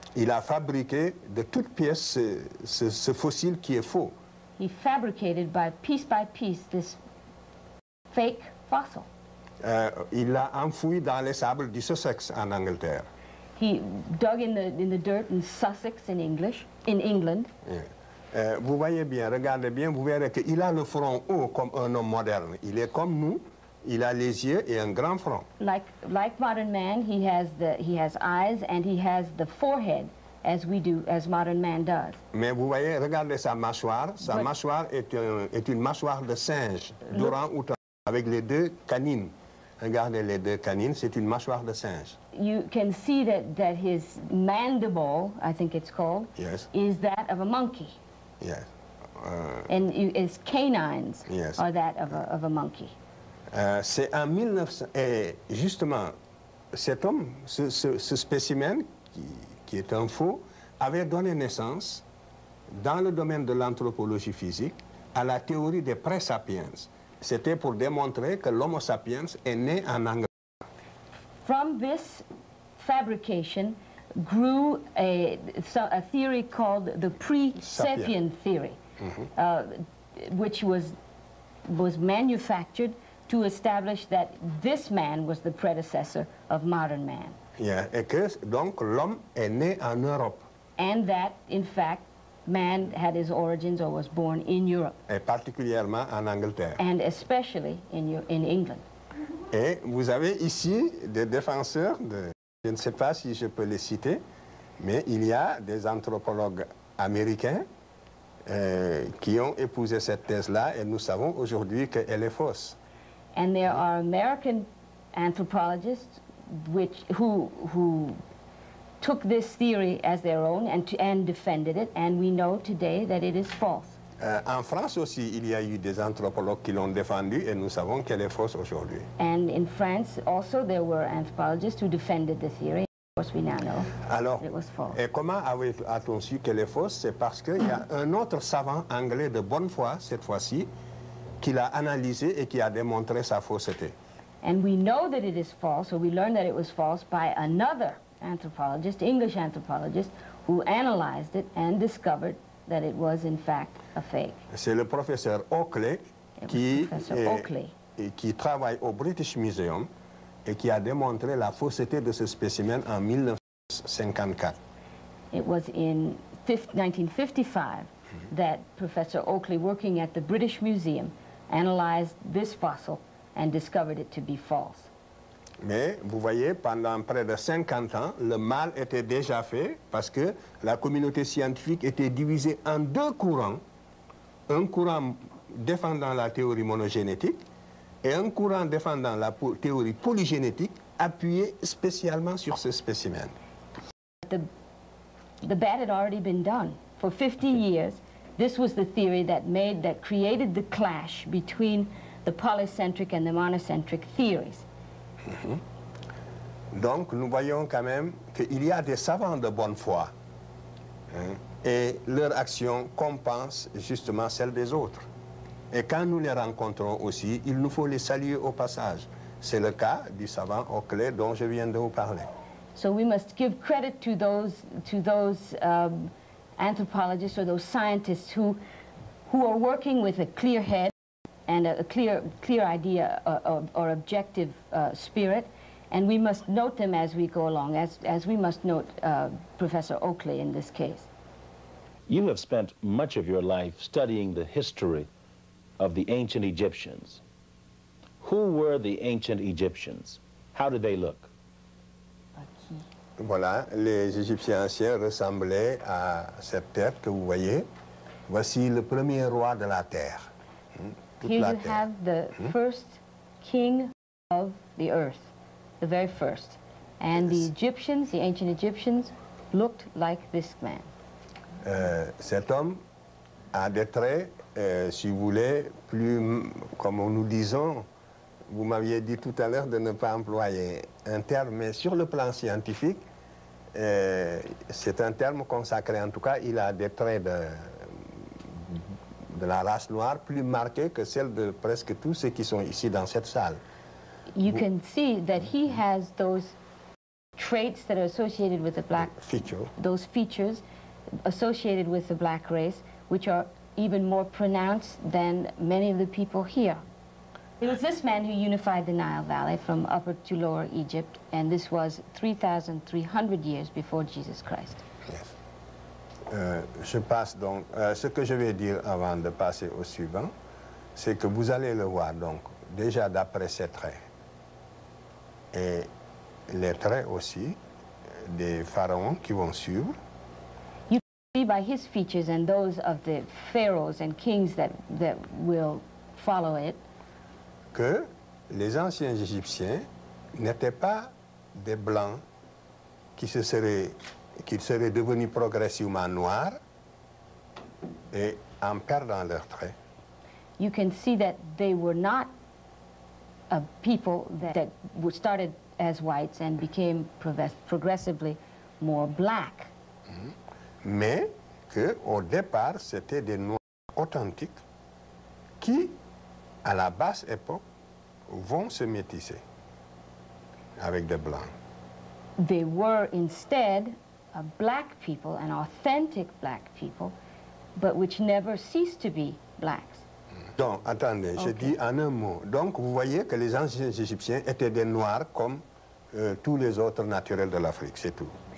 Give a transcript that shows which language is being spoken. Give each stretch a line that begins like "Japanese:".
French: Il a fabriqué de toute pièce ce fossile qui est faux.
English: He fabricated by piece this fake fossil.
French: Il l'a enfoui dans les sables du Sussex en Angleterre.
English: He dug in the dirt in Sussex in England. Yeah.
French: Vous voyez bien, regardez bien, vous verrez qu'il a le front haut comme un homme moderne. Il est comme nous. Il a les yeux et un grand front.
English: Like modern man, he has eyes and he has the forehead as we do, as modern man does.
French: Mais vous voyez, regardez sa mâchoire. Mâchoire est une mâchoire de singe, d'orang-outan, avec les deux canines. Regardez les deux canines, c'est une mâchoire de singe.
English: You can see that his mandible, I think it's called, yes, is that of a monkey. Yes. And his canines, yes, are that of a monkey.
French: C'est en 1900, et justement, cet homme, ce spécimen, qui est un faux, avait donné naissance, dans le domaine de l'anthropologie physique, à la théorie des pré-sapiens. C'était pour démontrer que l'homo sapiens est né en Angleterre.
English: From this fabrication grew a theory called the pre-sapien theory, which was manufactured to establish that this man was the predecessor of modern man.
French: Yeah, et que donc l'homme est né en Europe.
English: And that, in fact, man had his origins or was born in Europe.
French: Et particulièrement en Angleterre.
English: And especially in England.
French: Et vous avez ici des défenseurs de, je ne sais pas si je peux les citer, mais il y a des anthropologues américains qui ont épousé cette thèse-là et nous savons aujourd'hui qu'elle est fausse.
English: And there are American anthropologists who took this theory as their own and defended it, and we know today that it is false.
French: En France aussi, il y a eu des anthropologues qui l'ont défendu et nous savons qu'elle est fausse aujourd'hui.
English: And in France also there were anthropologists who defended the theory, of course we now know.
French: Alors,
English: that it was false.
French: Et comment a-t-on su qu'elle est fausse? C'est parce qu'il y a un autre savant anglais de bonne foi cette fois-ci qui l'a analysé et qui a démontré sa fausseté.
English: And we know that it is false, or we learned that it was false by another anthropologist, English anthropologist, who analyzed it and discovered that it was in fact a fake.
French: C'est le professeur Oakley qui travaille au British Museum et qui a démontré la fausseté de ce spécimen en 1954.
English: It was in 1955 that Professor Oakley, working at the British Museum, analyzed this fossil and discovered it to be false.
French: Mais vous voyez, pendant près de 50 ans, le mal était déjà fait parce que la communauté scientifique était divisée en deux courants. Un courant défendant la théorie monogénétique et un courant défendant la théorie polygénétique appuyé spécialement sur ce spécimen.
English: The bad had already been done. For 50 years, this was the theory that created the clash between the polycentric and the monocentric theories.
French: Donc, nous voyons quand même qu'il y a des savants de bonne foi, et leur action compense justement celle des autres. Et quand nous les rencontrons aussi, il nous faut les saluer au passage. C'est le cas du savant Oakley dont je viens de vous parler.
English: So we must give credit to those anthropologists or those scientists who are working with a clear head and a clear idea or objective spirit, and we must note them as we go along, as we must note Professor Oakley in this case. You have spent much of your life studying the history of the ancient Egyptians. Who were the ancient Egyptians? How did they look?
French: Voilà, les Égyptiens anciens ressemblaient à cette terre que vous voyez. Voici le premier roi de la terre.
English: Here you have the first king of the earth, the very first. And the Egyptians, the ancient Egyptians, looked like this man.
French: Cet homme a des traits, si vous voulez, plus, comme nous disons, vous m'aviez dit tout à l'heure de ne pas employer un terme, mais sur le plan scientifique, c'est un terme consacré. En tout cas, il a des traits de la race noire plus marqués que celle de presque tous ceux qui sont ici dans cette salle.
English: You can see that he has those traits that are associated with the black feature. Those features associated with the black race, which are even more pronounced than many of the people here. It was this man who unified the Nile Valley from Upper to Lower Egypt, and this was 3,300 years before Jesus Christ.
French: Yes. Je passe donc. Ce que je vais dire avant de passer au suivant, c'est que vous allez le voir donc déjà d'après ses traits et les traits aussi des pharaons qui vont suivre.
English: You see by his features and those of the pharaohs and kings that will follow it.
French: Que les anciens Égyptiens n'étaient pas des blancs qui seraient devenus progressivement noirs et en perdant leurs traits.
English: You can see that they were not a people that started as whites and became progressively more black.
French: Mais que au départ c'était des noirs authentiques qui, à la basse époque, vont se métisser avec des blancs.
English: They were instead a black people, an authentic black people, but which never ceased to be blacks.
French: Donc, attendez, okay. Je dis en un mot. Donc, vous voyez que les anciens Égyptiens étaient des noirs comme tous les autres naturels de l'Afrique, c'est tout.